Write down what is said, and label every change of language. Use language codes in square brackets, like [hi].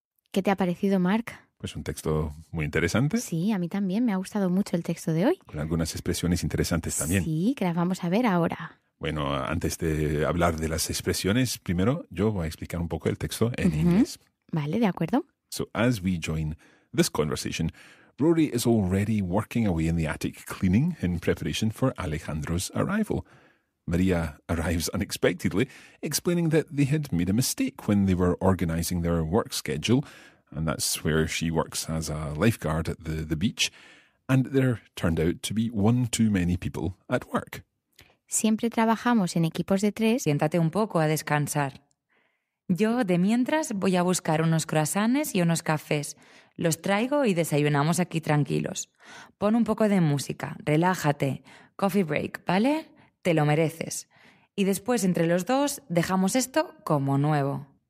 [es] ¿Qué te ha parecido, Mark? Pues un texto muy interesante. Sí, a mí también me ha gustado mucho el texto de hoy. Con algunas expresiones interesantes también. Sí, que las vamos a ver ahora. Bueno, antes de hablar de las expresiones, primero yo voy a explicar un poco el texto en inglés. Vale, de acuerdo. [en] So as we join this conversation, Rory is already working away in the attic cleaning in preparation for Alejandro's arrival. Maria arrives unexpectedly, explaining that they had made a mistake when they were organizing their work schedule, and that's where she works as a lifeguard at the beach, and there turned out to be one too many people at work. [es] Siempre trabajamos en equipos de tres. Siéntate un poco a descansar. Yo, de mientras, voy a buscar unos croissants y unos cafés. Los traigo y desayunamos aquí tranquilos. Pon un poco de música, relájate. [en] Coffee break, [es] ¿vale? Te lo mereces. Y después, entre los dos, dejamos esto como nuevo.